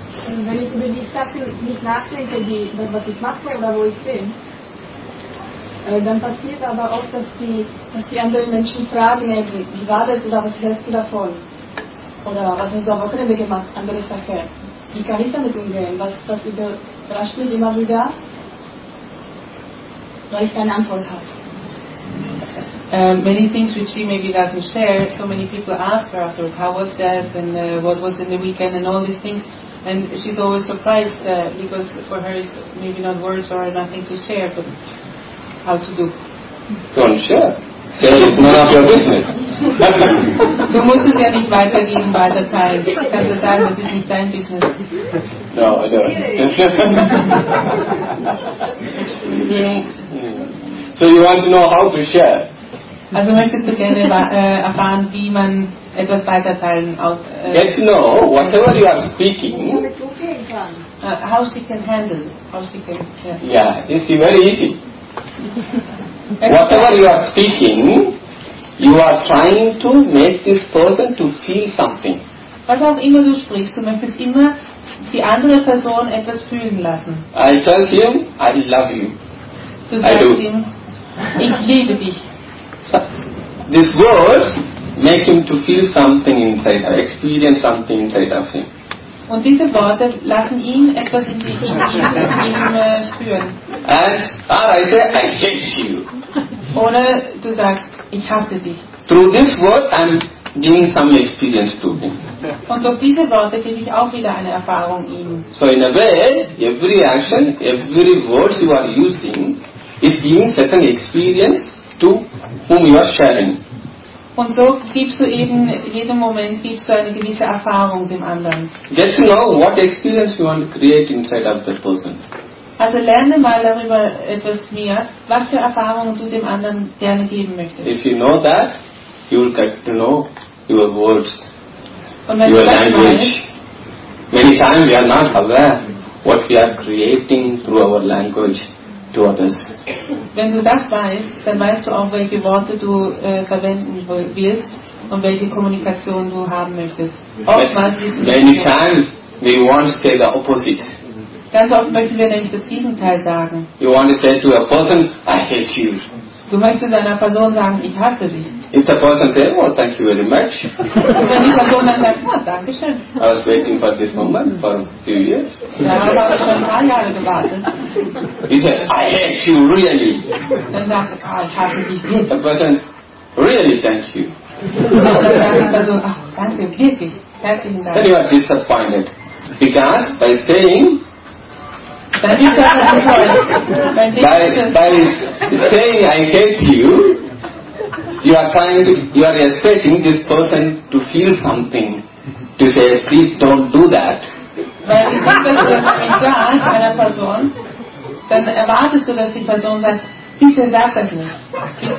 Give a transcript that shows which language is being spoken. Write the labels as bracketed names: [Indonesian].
[English] And then it's really tough to meet nothing to be, but it's not for the whole thing. [German] Dann passiert aber auch, dass die anderen Menschen fragen, gerade ist oder was hältst du davon? Oder was hast du am Wochenende gemacht, andere Sache? Wie kann ich damit umgehen? Was überrascht mich immer wieder, weil ich keine Antwort habe. [English] Many things which she maybe doesn't share, so many people ask her afterwards, how was that, and what was in the weekend, and all these things. And she's always surprised, because for her it's maybe not words or nothing to share, but how to do? Don't share. Say it's none of your business. [German] Du musst es ja nicht weitergeben bei der Zeit. Du kannst ja sagen, das ist nicht dein Business. [English] No, I don't. So you want to know how to share? [German] Also möchtest du gerne erfahren, wie man etwas weiterteilen auf, [English] get to know whatever you are speaking. How she can handle, how she can. Yeah, it's very easy. Whatever you are speaking, you are trying to make this person to feel something. [German] Was auch immer du sprichst, du möchtest immer die andere Person etwas fühlen lassen. [English] I tell him, I love you. [German] Du sagst ihm, ich liebe dich. [English] This word makes him to feel something inside, experience something inside of him. [German] Und diese Worte lassen ihn etwas in sich spüren. [English] And I say, I hate you. [German] Oder du sagst, ich hasse dich. [English] Through this word, I'm giving some experience to him. [German] Und durch diese Worte gebe ich auch wieder eine Erfahrung ihm. [English] So in a way, every action, every word you are using is giving certain experience to whom you are sharing. [German] Und so gibst du eben, jeden Moment gibst du eine gewisse Erfahrung dem anderen. [English] Get to know what experience you want to create inside of the person. [German] Also lerne mal darüber etwas mehr, was für Erfahrungen du dem anderen gerne geben möchtest. [English] If you know that, you will get to know your words, your language. Many times we are not aware what we are creating through our language. To others. [German] Wenn du das weißt, dann weißt du auch, welche Worte du verwenden willst und welche Kommunikation du haben möchtest. [English] Many times we want to say the opposite. [German] Ganz oft möchten wir nämlich das Gegenteil sagen. [English] You want to say to a person, I hate you. [German] Du möchtest einer Person sagen, ich hasse dich. [English] If the person says, well, thank you very much. [German] Wenn die Person dann sagt, oh, danke schön. [English] I was waiting for this moment for a few years. [German] Ja, aber ich habe schon ein paar Jahre gewartet. [English] He said, I hate you, really. [German] Dann sagst du, oh, ich hasse dich. [English] The person says, really, thank you. [German] Und dann sagt die Person, oh, danke, wirklich, herzlichen Dank. [English] Then you are disappointed. Because by saying, by saying I hate you, you are trying to, you are expecting this person to feel something, to say please don't do that. [German] Weil du denkst, dass du das mit einer Person, dann erwartest du, dass die Person sagt, bitte sag das nicht.